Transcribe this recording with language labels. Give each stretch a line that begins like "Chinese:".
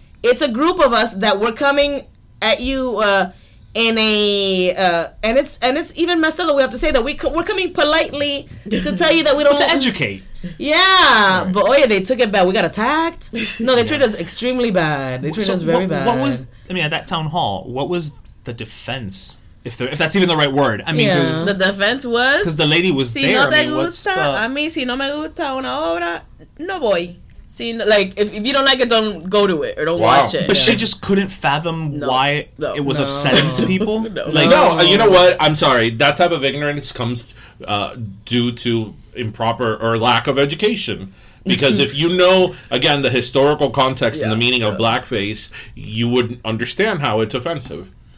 English: It's a group of us that we're coming at you and it's even messed up that we have to say that we're coming politely to tell you that we don't... to educate. Yeah, right. But oh yeah, they took it bad. We got attacked. No, they treated us extremely bad. They treated us very bad. What was, I mean, at that town hall, what was the defense? If that's even the right word. I mean, the defense was... Because the lady was
Spanish: si
English: there.
Spanish: No te gusta, a mí, si no me gusta una obra, no voy.
English: See, like, if you don't like it, don't go to it or don't watch it. But she just couldn't fathom why it was upsetting to people. You know what? I'm sorry. That type of ignorance comes due to improper or lack of education. Because if you know, again, the historical context and the meaning of blackface, you wouldn't understand how it's offensive.